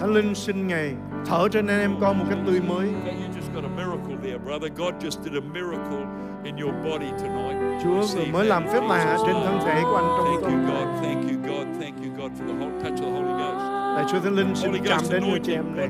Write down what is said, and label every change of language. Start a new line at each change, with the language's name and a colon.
Vietnamese: Thánh Linh xin ngài thở trên anh em con một cách tươi mới.
English: You just got a miracle there, brother. God just did a miracle in your body tonight.
Vietnamese: Chúa vừa mới làm phép lạ trên thân thể của anh trong tuần.
English: Thank you, God. Thank you, God, for the whole touch of the Holy Ghost.
Vietnamese: Lạy Chúa Thánh Linh xin chạm đến người chị em này.